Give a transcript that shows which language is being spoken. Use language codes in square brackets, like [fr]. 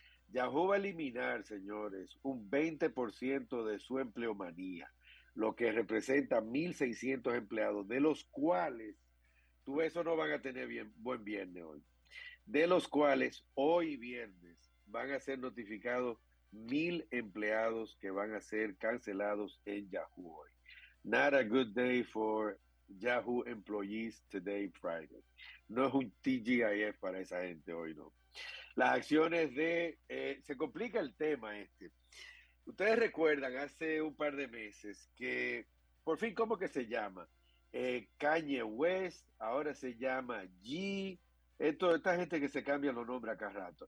[es] Yahoo va a eliminar, señores, un 20% de su empleomanía, lo que representa 1,600 empleados, de los cuales, tú eso no van a tener bien, buen viernes hoy, de los cuales hoy viernes van a ser notificados 1,000 empleados que van a ser cancelados en Yahoo hoy. [en] Not a good day for Yahoo Employees Today Friday. [es] No es un TGIF para esa gente hoy, no. Las acciones de... se complica el tema este. Ustedes recuerdan hace un par de meses que, por fin, ¿cómo que se llama? Kanye West, ahora se llama esta gente que se cambia los nombres a cada rato.